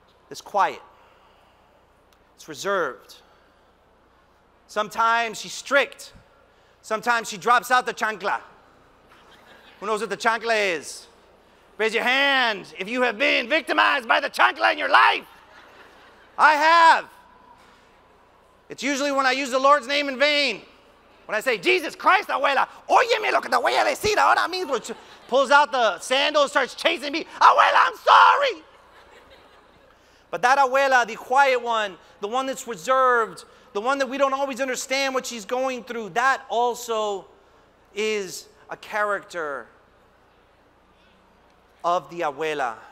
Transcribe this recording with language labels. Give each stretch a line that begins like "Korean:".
English: It's quiet. It's reserved. Sometimes she's strict. Sometimes she drops out the chancla. Who knows what the chancla is? Raise your hand if you have been victimized by the chancla in your life. I have. It's usually when I use the Lord's name in vain.
Spanish: When I say, Jesus Christ, abuela, óyeme lo que te voy a decir ahora mismo.
English: Pulls out the sandal and starts chasing me. Abuela, I'm sorry. But that abuela, the quiet one, the one that's reserved, the one that we don't always understand what she's going through, that also is a character of the abuela.